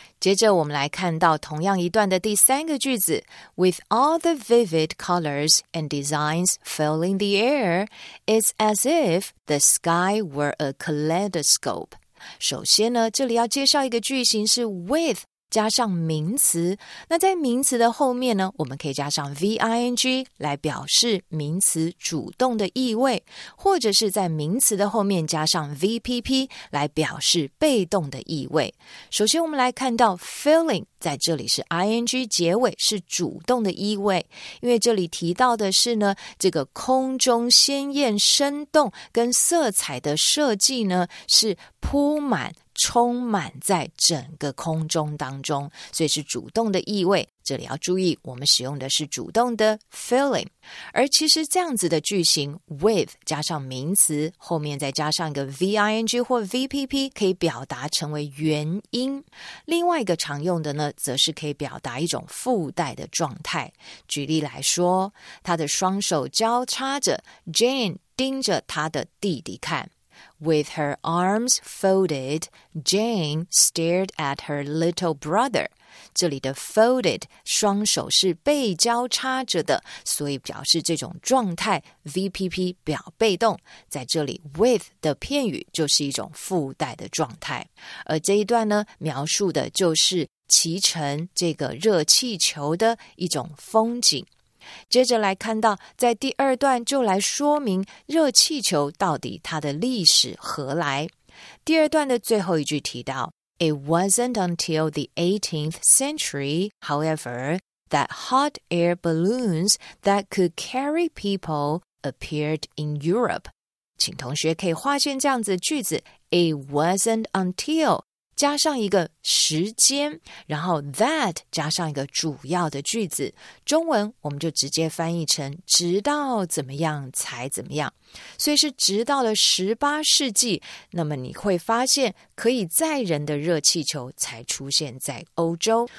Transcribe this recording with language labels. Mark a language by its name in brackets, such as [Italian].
[Chinese] 接着我们来看到同样一段的第三个句子 [English] With all the vivid colors and designs filling the air, it's as if the sky were a kaleidoscope。 [Chinese] 首先呢，这里要介绍一个句型是 with 加上名词，那在名词的后面呢，我们可以加上 ving 来表示名词主动的意味，或者是在名词的后面加上 vpp 来表示被动的意味。首先我们来看到 filling 在这里是 ing 结尾，是主动的意味，因为这里提到的是呢，这个空中鲜艳生动跟色彩的设计呢，是铺满充满在整个空中当中，所以是主动的意味。这里要注意，我们使用的是主动的 filling。而其实这样子的句型 with 加上名词，后面再加上一个 ving 或 vpp， 可以表达成为原因。另外一个常用的呢，则是可以表达一种附带的状态。举例来说，他的双手交叉着 ，Jane 盯着他的弟弟看。 [English] With her arms folded, Jane stared at her little brother. [Chinese] 这里的 folded, 双手是背交叉着的，所以表示这种状态 ,VPP 表被动。在这里 with 的片语就是一种附带的状态。而这一段呢，描述的就是骑乘这个热气球的一种风景。接着来看到在第二段就来说明热气球到底它的历史何来。第二段的最后一句提到 [English] It wasn't until the 18th century, however, that hot air balloons that could carry people appeared in Europe. [Chinese] 请同学可以划线这样子的句子 [English] It wasn't until [Chinese] 加上一个时间，然后 that 加上一个主要的句子，中文我们就直接翻译成直到怎么样才怎么样，所以是直到了18世纪，那么你会发现可以载人的热气球才出现在欧洲。